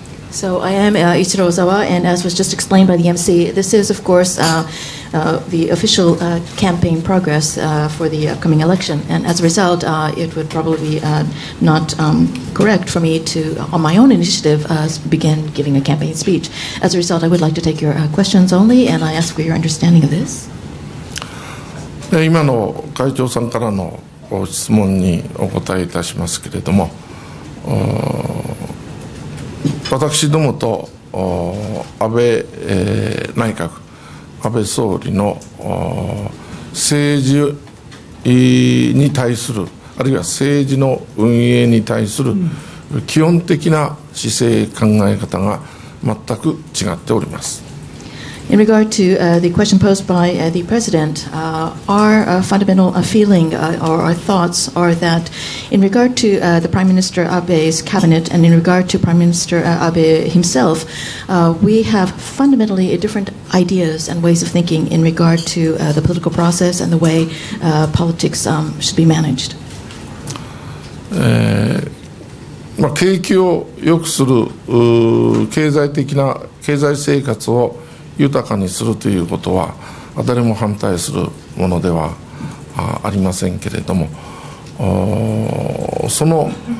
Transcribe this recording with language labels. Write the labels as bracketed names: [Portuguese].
[English] So I am Ichiro Ozawa, and as was just explained by the MC, this is of course the official campaign progress for the upcoming election. And as a result, it would probably be not correct for me to, on my own initiative, begin giving a campaign speech. As a result, I would like to take your questions only, and I ask for your understanding of this. [Japanese] 今の会長さんからのご質問にお答えいたしますけれども、私どもと安倍内閣、安倍総理の政治に対する、あるいは政治の運営に対する基本的な姿勢、考え方が全く違っております。 [English] In regard to the question posed by the President, our fundamental feeling or our thoughts are that in regard to the Prime Minister Abe's cabinet and in regard to Prime Minister Abe himself, we have fundamentally different ideas and ways of thinking in regard to the political process and the way politics should be managed. [Japanese] まあ、景気を良くする経済的な経済生活を豊かにするということは誰も反対するものではありませんけれども、その